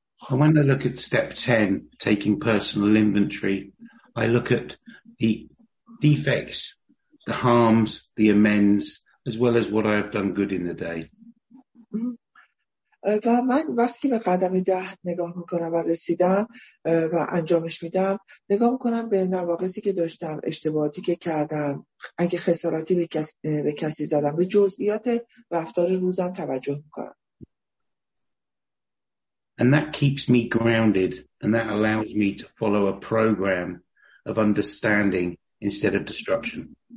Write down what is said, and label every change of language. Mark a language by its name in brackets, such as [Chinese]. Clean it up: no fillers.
[English] When I look at step 10, taking personal inventory, I look at the defects, the harms, the amends, as well as what I have done good in the day. [Persian] و من وقتی که به قدم 10 نگاه میکنم و رسیدم و انجامش میدم نگاه میکنم به نواقصی که داشتم، اشتباهاتی که کردم، اگه خسارتی به کسی زدم، به جزئیات رفتار روزم توجه میکنم. [English] And that keeps me grounded and that allows me to follow a program of understanding instead of destruction.